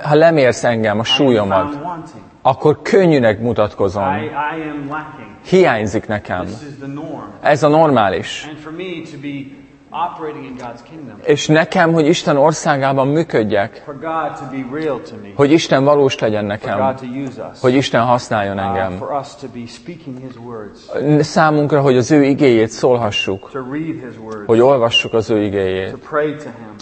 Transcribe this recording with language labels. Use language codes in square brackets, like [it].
[hu] ha lemérsz engem, a súlyomat, akkor könnyűnek mutatkozom. [en] I am lacking. [hu] Hiányzik nekem. [en] This is the norm. [hu] Ez a normális. [en] And for me to be operating in God's kingdom. [hu] És nekem, hogy Isten országában működjek, [en] for God to be real to me. [hu] Hogy Isten valós legyen nekem, [en] for God to use us. [hu] Hogy Isten használjon engem, [en] for us to be speaking His words. [hu] Számunkra, hogy az ő igéjét szólhassuk, [en] to read His words. [hu] Hogy olvassuk az ő igéjét, [en] to pray to Him.